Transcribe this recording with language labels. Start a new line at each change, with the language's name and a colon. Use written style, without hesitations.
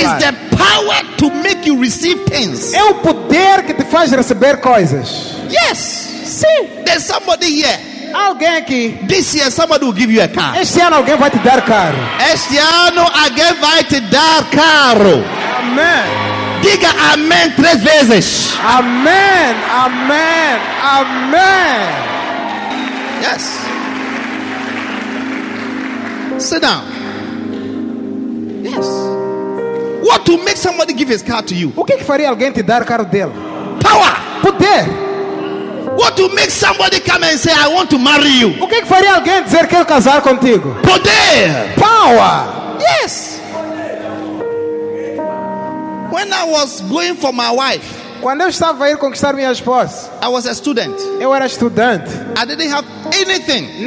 English: It's the power to make you receive things.
Portuguese: É o poder que te faz receber coisas.
English: Yes.
Portuguese: Sim.
English: There's somebody here.
Portuguese: Alguém aqui.
English: This year somebody will give you a car.
Portuguese: Este ano alguém vai te dar carro. Este ano alguém vai te dar carro. Amém. Diga amém três vezes. Amém. Amém. Amém.
English: Yes. Sit down. Yes. What to make somebody give his car to you?
Portuguese: O que faria alguém te dar carro dele?
English: Power.
Portuguese: Poder.
English: What to make somebody come and say, I want to marry you?
Portuguese: O que faria alguém dizer que quer casar contigo? Poder.
English: Power. Yes. When I was going for my wife,
Portuguese: quando eu estava a ir conquistar minha esposa,
English: I was a student.
Portuguese: Eu era estudante.
English: I didn't have anything.